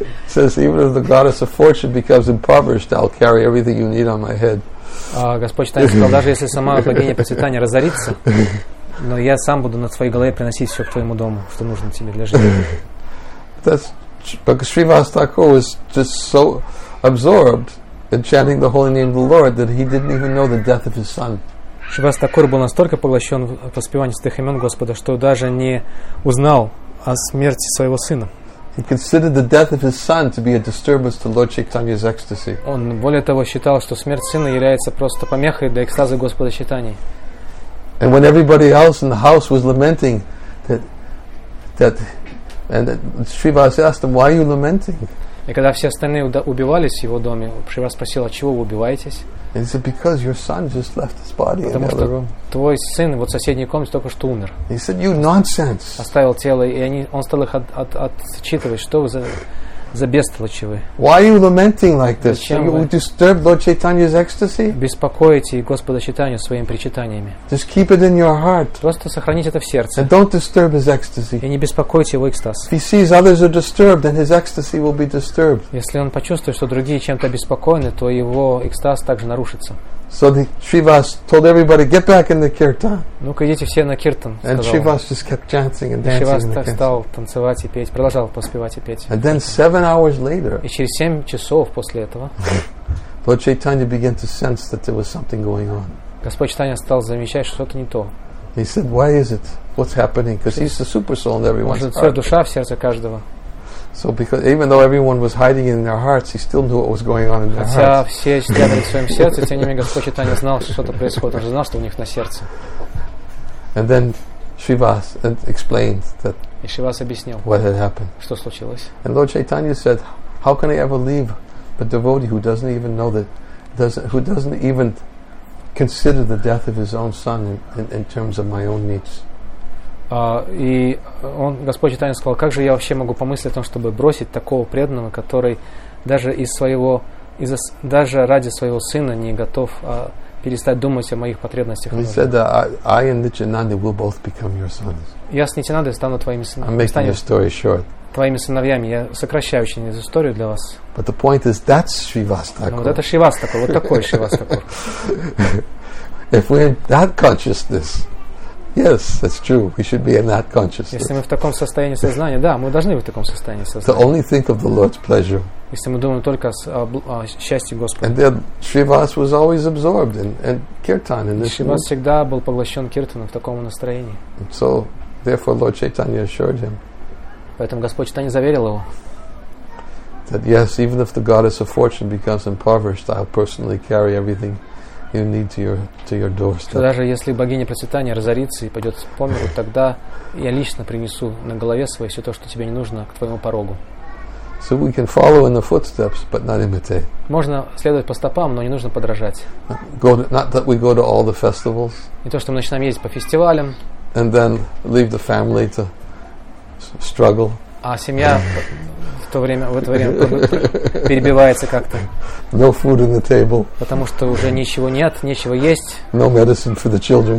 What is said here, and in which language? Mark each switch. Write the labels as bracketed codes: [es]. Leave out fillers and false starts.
[en] Says even if the goddess of fortune becomes impoverished, I'll carry everything you need on my head. [ru] Господь Читания сказал, даже если сама богиня процветания разорится, но я сам буду на твоей голове приносить все к твоему дому, что нужно тебе для жизни. [en] That's because Shrivastako was just so absorbed in chanting the holy name of the Lord that he didn't even know the death of his son. [ru] Шривастакур был настолько поглощен воспеванием святых имен Господа, что даже не узнал о смерти своего сына. [en] He considered the death of his son to be a disturbance to Lord Chaitanya's ecstasy. [ru] Он более того считал, что смерть сына является просто помехой для экстаза Господа Читания. [en] And when everybody else in the house was lamenting that Shrivas asked him, "Why are you lamenting?" [ru] И когда все остальные убивались в его доме, Шривас спросил, "От чего вы убиваетесь?" [en] And he said, "Because your son just left his body in another room." [ru] Твой сын вот в соседней комнате только что умер. [en] He said, "You nonsense!" [ru] Оставил тело, и он стал их отчитывать. Что вы за бестолочи вы? [en] Why are you lamenting like this? You disturb Lord Chaitanya's ecstasy? [ru] Беспокоите Господа Читанию своими причитаниями. [en] Just keep it in your heart. [ru] Просто сохраните это в сердце. [en] And don't disturb his ecstasy. [ru] И не беспокойте его экстаз. [en] If he sees others are disturbed, then his ecstasy will be disturbed. [ru] Если он почувствует, что другие чем-то обеспокоены, то его экстаз также нарушится. [en] So the Shrivas told everybody, "Get back in the kirtan." [ru] Ну-ка, идите все на киртан. [en] And Shrivas just kept chanting and dancing. [ru] Шривас так стал танцевать и петь, продолжал поспевать и петь. [en] And then 7 hours later. [ru] И через 7 часов после этого. [en] Lord Chaitanya began to sense that there was something going on. [ru] Господь Читания стал замечать, что что-то не то. [en] He said, "Why is it? What's happening?" Because he's the super soul in everyone's heart. [ru] Может, душа в сердце каждого. [en] So because even though everyone was hiding it in their hearts, he still knew what was going on in their [ru] Хотя [en] hearts. [ru] Хотя все спрятали в своем сердце, тем не менее Господь Читания знал, что что-то происходит. Он же знал, что у них на сердце. [en] And then Shrivas explained that. [ru] И Шривас объяснил. [en] What had happened? [ru] Что случилось? [en] And Lord Chaitanya said, "How can I ever leave a devotee who doesn't even know that, who doesn't even consider the death of his own son in terms of my own needs?" [ru] И он, Господь Читания сказал, как же я вообще могу помыслить о том, чтобы бросить такого преданного, который даже даже ради своего сына не готов перестать думать о моих потребностях. [en] He said that I and Nityananda will both become your sons. [ru] Я с Нитянандой стану твоими сыновьями. [en] I'm making the story short. [ru] Твоими сыновьями. Я сокращаю очень эту историю для вас. [en] But the point is, that's Shrivastakur. [ru] Вот это Шривастакур, вот такой Шривастакур. [en] If we're in that consciousness. Yes, that's true. We should be in that consciousness. [ru] Если мы в таком состоянии сознания, да, мы должны быть в таком состоянии сознания. [en] To only think of the Lord's pleasure. [ru] Если мы думаем только о счастье Господа. [en] And then Shrivas was always absorbed in kirtan. And [ru] Shrivas всегда был поглощен киртаном в таком настроении. [en] So, therefore, Lord Chaitanya assured him. [ru] Поэтому Господь Читания заверил его. [en] That yes, even if the goddess of fortune becomes impoverished, I'll personally carry everything. You need to your doorstep. [ru] Даже если богиня процветания разорится и пойдет по миру, тогда я лично принесу на голове свое все то, что тебе не нужно, к твоему порогу. [en] So we can follow in the footsteps, but not imitate. [ru] Можно следовать по стопам, но не нужно подражать. [en] Not that we go to all the festivals. [ru] Не то, что мы начинаем ездить по фестивалям. [en] And then leave the family to struggle. [ru] А семья в это время перебивается как-то. [en] No food on the table. [ru] Потому что уже ничего нет, нечего есть. [en] No medicine for the children.